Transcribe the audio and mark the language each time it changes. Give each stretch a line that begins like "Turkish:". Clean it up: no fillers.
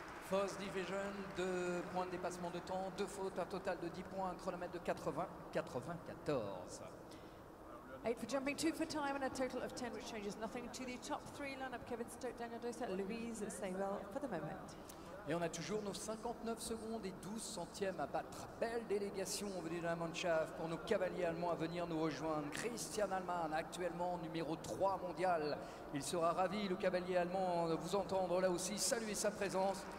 English: First Division,
French: 2 points de dépassement de temps, 2 fautes, un total de 10 points, un chronomètre de 80-94.
English: 8 for jumping, 2 for time, and a total of 10, which changes nothing to the top 3 lineup. Kevin Stoke, Daniel Dosa, Louise Saywell for the moment.
French: Et on a toujours nos 59 secondes et 12 centièmes à battre. Belle délégation venue de la Mannschaft pour nos cavaliers allemands à venir nous rejoindre. Christian Allemann, actuellement numéro 3 mondial. Il sera ravi, le cavalier allemand, de vous entendre là aussi. Saluer sa présence.